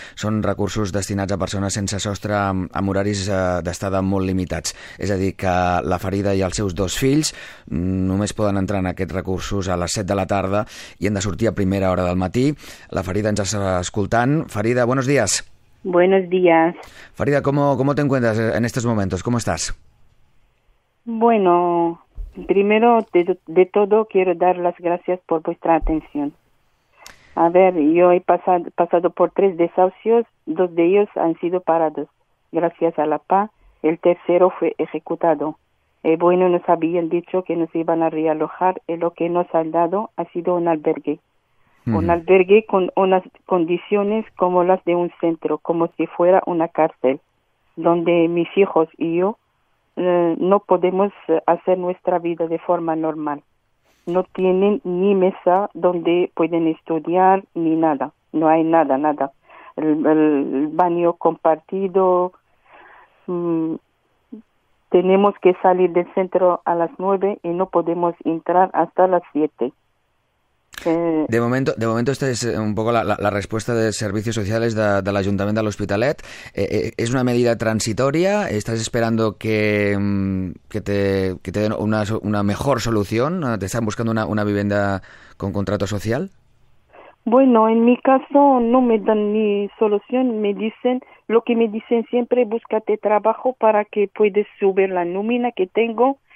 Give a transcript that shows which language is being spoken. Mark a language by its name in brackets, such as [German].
[Catalan] Són recursos destinats a persones sense sostre amb horaris d'estada molt limitats. És a dir, que la ferida i els seus dos fills només poden entrar en aquests recursos a les 7 de la tarda i han de sortir a primera hora del matí. La ferida ens està escoltant. [Spanish] Ferida, buenos días. Buenos días. Ferida, ¿cómo te encuentras en estos momentos? ¿Cómo estás? Bueno, primero de todo quiero dar las gracias por vuestra atención. A ver, yo he pasado por 3 desahucios, 2 de ellos han sido parados, gracias a la PA, el tercero fue ejecutado. Bueno, nos habían dicho que nos iban a realojar, y lo que nos han dado ha sido un albergue. Un albergue con unas condiciones como las de un centro, como si fuera una cárcel, donde mis hijos y yo no podemos hacer nuestra vida de forma normal. no tienen ni mesa donde pueden estudiar ni nada, no hay nada, nada. El baño compartido, tenemos que salir del centro a las 9 y no podemos entrar hasta las 7. [Catalan] De moment, esta és un poc la resposta de Servicios Sociales de l'Ajuntament de l'Hospitalet. És una medida transitòria? [Spanish] Estàs esperando que te den una mejor solución? Te están buscando una vivienda con contrato social? Bueno, en mi caso no me dan ni solución, me dicen, lo que me dicen siempre, búscate trabajo para que puedes subir la nómina que tengo.